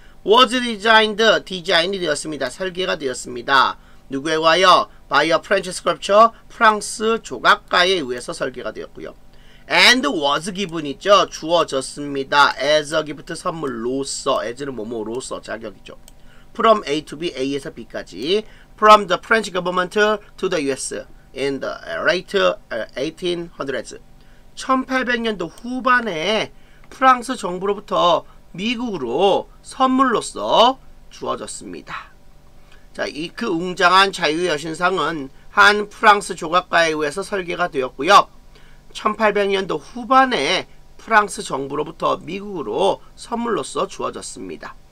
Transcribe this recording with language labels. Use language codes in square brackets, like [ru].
[en] Was designed, [ko] 디자인이 되었습니다. 설계가 되었습니다. 누구에 의하여? [en] By a French sculpture, [ko] 프랑스 조각가에 의해서 설계가 되었고요. [en] And was given이죠. [ko] 주어졌습니다. [en] As a gift, [ko] 선물로서. As는 뭐뭐로서, 자격이죠. [en] From A to B, [ko] A에서 B까지. [en] From the French government to the US in the late 1800s. [ko] 1800년도 후반에 프랑스 정부로부터 미국으로 선물로서 주어졌습니다. 자, 이 그 웅장한 자유의 여신상은 한 프랑스 조각가에 의해서 설계가 되었고요. 1800년도 후반에 프랑스 정부로부터 미국으로 선물로서 주어졌습니다.